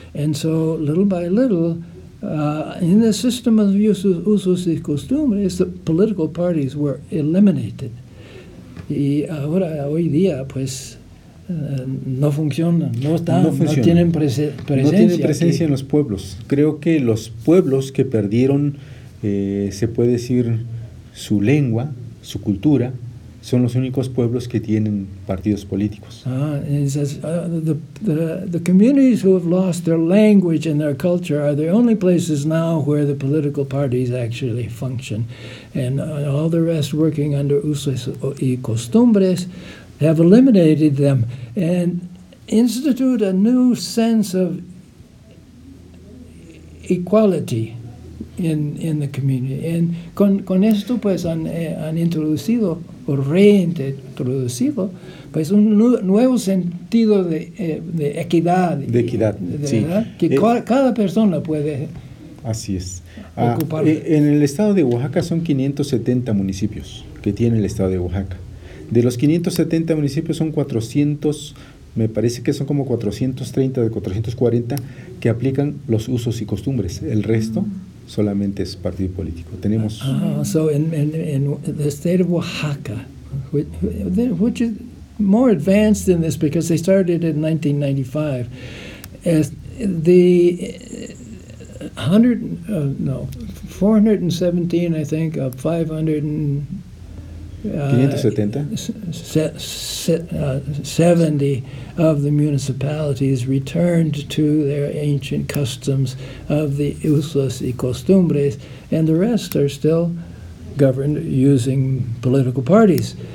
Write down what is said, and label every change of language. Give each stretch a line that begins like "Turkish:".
English: And so little by little, in the system of usos y costumbres, the political parties were eliminated.
Spanish: Y ahora, hoy día, pues, no funcionan, no tienen presencia aquí en los pueblos. Creo que los pueblos que perdieron, se puede decir, su lengua, su cultura, son los únicos pueblos que tienen partidos políticos.
English: The communities who have lost their language and their culture are the only places now where the political parties actually function, and all the rest working under usos y costumbres have eliminated them and institute a new sense of equality in the community.
Spanish: And con esto pues han introducido o reintroducido pues un nuevo sentido de equidad. De equidad, de, sí. Que cada persona puede. Así es. Ocupar. En el estado de Oaxaca son 570 municipios que tiene el estado de Oaxaca. De los 570 municipios son 400, me parece que son como 430 de 440 que aplican los usos y costumbres. El resto solamente es partido político. Tenemos.
English: So in the state of Oaxaca, which is more advanced than this because they started in 1995, as the 417, I think, of 70 of the municipalities returned to their ancient customs of the usos y costumbres, and the rest are still governed using political parties.